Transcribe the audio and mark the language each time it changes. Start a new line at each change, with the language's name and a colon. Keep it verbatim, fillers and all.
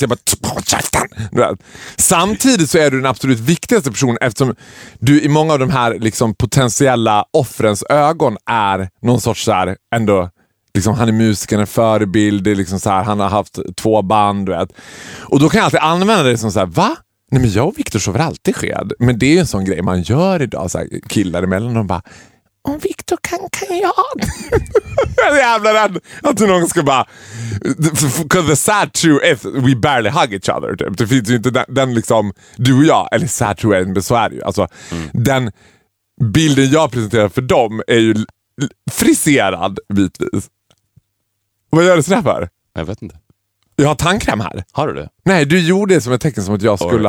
Swedish: Jag bara, samtidigt så är du den absolut viktigaste personen eftersom du i många av de här liksom, potentiella offrens ögon är någon sorts så här, ändå, liksom, han är musiker, en förebild, liksom, så här, han har haft två band. Du vet. Och då kan jag alltid använda det som så här, va? Nej men jag och Victor sover alltid sked. Men det är ju en sån grej man gör idag, så här, killar emellan och bara... Om Victor kan, kan jag. Jag är jävla rädd att någon ska bara...
English: Because the sad truth is we barely hug each other.
Swedish: Typ. Det finns ju inte den, den liksom... Du och jag, eller
English: sad truth
Swedish: är en besvär ju. Alltså, mm. Den bilden jag presenterar för dem är ju friserad bitvis. Vad gör du sådär för? Jag vet inte. Jag har tandkräm här. Har du det? Nej, du gjorde det som ett tecken som att jag skulle